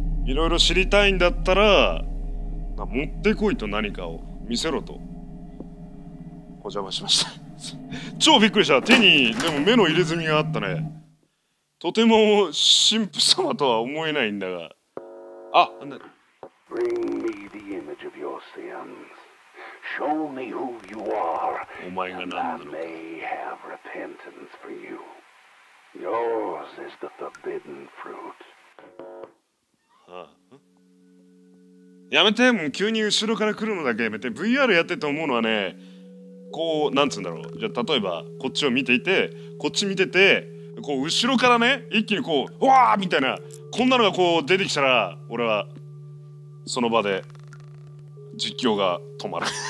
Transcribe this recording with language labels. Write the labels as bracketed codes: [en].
[ja] いろいろ知りたいんだったら持ってこいと、何かを見せろと。お邪魔しました。超びっくりした。手にでも目の入れ墨があったね。とても神父様とは思えないんだが。あ、なんだ。 [en] Bring me the image of your sins. Show me who you are. [ja] お前が何なのか。 [en] I may have repentance for you. Yours is the forbidden fruit. [ja] はあ、やめて、もう急に後ろから来るのだけやめて。 VR やってて思うのはね、こう、なんつうんだろう、じゃあ例えばこっちを見ていて、こっち見てて、こう後ろからね、一気にこう、うわーみたいな、こんなのがこう出てきたら、俺はその場で実況が止まる。